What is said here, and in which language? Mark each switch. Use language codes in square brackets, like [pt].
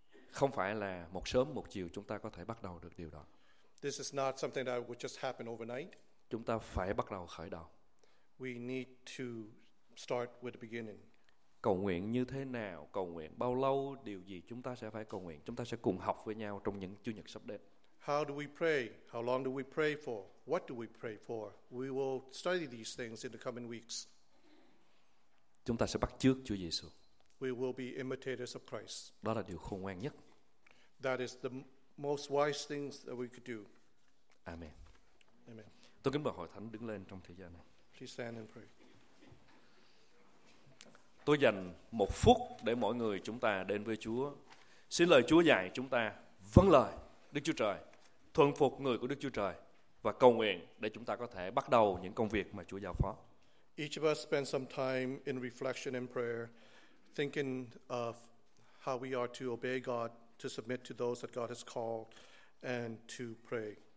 [vi] Không phải là một sớm một chiều chúng ta có thể bắt đầu được điều đó. [en] This is not something that would just happen overnight. [vi] Chúng ta phải bắt đầu khởi đầu. [en] We need to start with the beginning. [vi] Cầu nguyện như thế nào, cầu nguyện bao lâu, điều gì chúng ta sẽ phải cầu nguyện. Chúng ta sẽ cùng học với nhau trong những Chủ nhật sắp đến. [en] How do we pray? How long do we pray for? What do we pray for? We will study these things in the coming weeks. [vi] Chúng ta sẽ bắt chước Chúa Giêsu. [en] We will be imitators of Christ. [vi] Đó là điều khôn ngoan nhất. [en] That is the most wise things that we could do. Amen. Amen. [vi] Tôi kính mời hội thánh đứng lên trong thời gian này. [en] Please stand and pray. [vi] Tôi dành một phút để mọi người chúng ta đến với Chúa. Xin lời Chúa dạy chúng ta vâng lời Đức Chúa Trời, thuần phục người của Đức Chúa Trời và cầu nguyện để chúng ta có thể bắt đầu những công việc mà Chúa giao phó. [en] Each of us spend some time in reflection and prayer, thinking of how we are to obey God, to submit to those that God has called, and to pray.